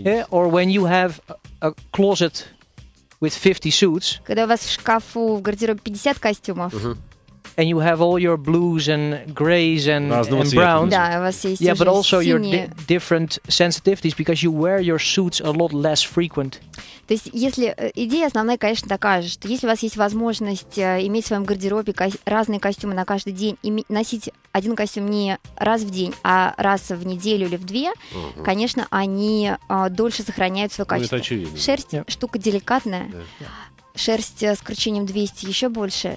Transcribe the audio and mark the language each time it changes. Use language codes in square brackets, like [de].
[en] Or when you have a closet with 50 suits. [ru] Когда у вас в шкафу, в гардеробе 50 костюмов. [en] And you have all your blues and grays and browns. [ru] Да, у вас есть [en] Yeah, but also your different sensitivities because you wear your suits a lot less frequent. [ru] То есть, если идея основная, конечно, такая же, что если у вас есть возможность иметь в своем гардеробе разные костюмы на каждый день и носить один костюм не раз в день, а раз в неделю или в две, конечно, они дольше сохраняют свое качество. Ну, это очевидно. Шерсть штука деликатная. Шерсть с кручением 200 еще больше.